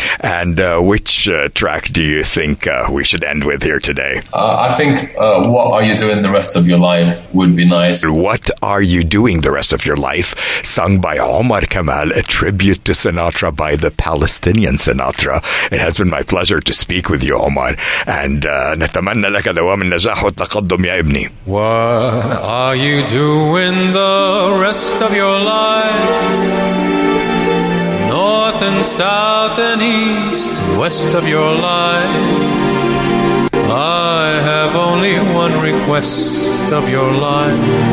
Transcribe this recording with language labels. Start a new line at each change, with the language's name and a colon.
English: And which track do you think we should end with here today? I think What Are You Doing the Rest of Your Life would be nice. What Are You Doing the Rest of Your Life, sung by Omar Kamal, a tribute to Sinatra by the Palestinian Sinatra. It has been my pleasure to speak with you, Omar.
Arabic: And نتمنى لك دوام النجاح والتقدم يا ابني.
English: What are you doing the rest of your life? North and south and east, west of your life. I have only one request of your life.